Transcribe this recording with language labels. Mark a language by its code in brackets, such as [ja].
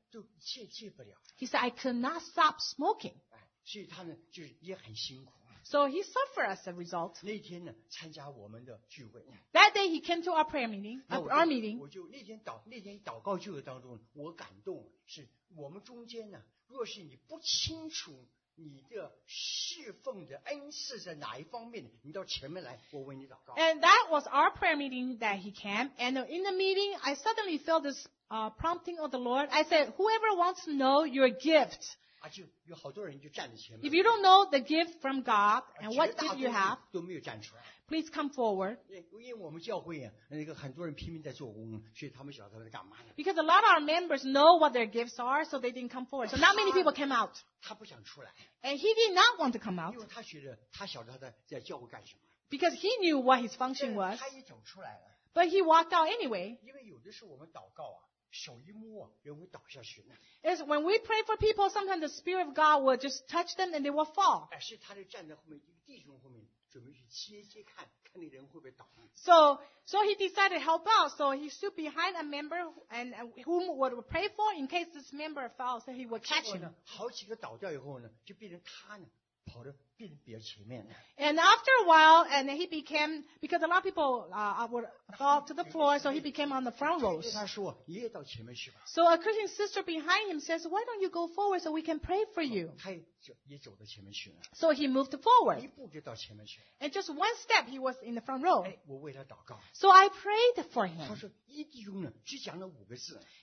[zh] 就戒不了。 [en] He said, I could not stop smoking. [zh] 所以他呢，就是也很辛苦。 [en] So he suffered as a result. [zh] 那天呢，参加我们的聚会。 [en] That day he came to our prayer meeting, our meeting. [zh] 我就那天祷告聚会当中，我感动是我们中间呢，若是你不清楚你的侍奉的恩赐在哪一方面，你到前面来，我为你祷告。 [en] And that was our prayer meeting that he came. And in the meeting, I suddenly felt this prompting of the Lord. I said, whoever wants to know your gift. [zh] 啊，就有好多人就站在前面。 [en] If you don't know the gift from God and what gift you have, [zh] 都没有站出来。 [en] Please come forward. [zh] 因为我们教会啊，那个很多人拼命在做工，所以他们晓得他们在干嘛。 [en] Because a lot of our members know what their gifts are, so they didn't come forward. So not many people came out. [zh] 他不想出来。 [en] And he did not want to come out. [zh] 因为他觉得他晓得他在教会干什么。 [en] Because he knew what his function was. [zh] 他也走出来了。 [en] But he walked out anyway. [zh] 因为有的时候我们祷告啊，手一摸啊，人会倒下去呢。 [en] Is when we pray for people, sometimes the spirit of God will just touch them and they will fall. [zh] 是他就站在后面一个弟兄后面。准备去接接看，看那人会不会倒。 [en] So he decided to help out. So he stood behind a member and whom would pray for in case this member fell, so he would catch him. [zh] 好几个倒掉以后呢，就变成他呢，跑得变得比较前面。 [en] And after a while, and he became because a lot of people would fall to the floor, so he became on the front rows. [zh] 他说：“你也到前面去吧。” [en] So a Christian sister behind him says, "Why don't you go forward so we can pray for you?" [zh] 他也走到前面去了。 [en] So he moved forward. [zh] 一步就到前面去。 [en] And just one step, he was in the front row. [zh] 哎，我为他祷告。 [en] So I prayed for him. [zh] 他说：“一弟兄呢，只讲了五个字。”